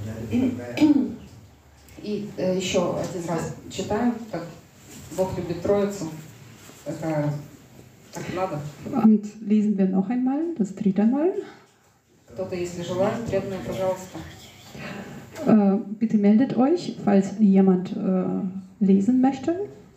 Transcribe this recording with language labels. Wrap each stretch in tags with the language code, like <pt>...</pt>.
<ru>И еще один раз читаем, как Бог любит Троицу. Так надо.</ru> <de>Und lesen wir noch einmal, das dritte Mal.</de> <ru>Кто-то, если желает, преданный, пожалуйста.</ru> <de>Bitte meldet euch, falls jemand lesen möchte.</de>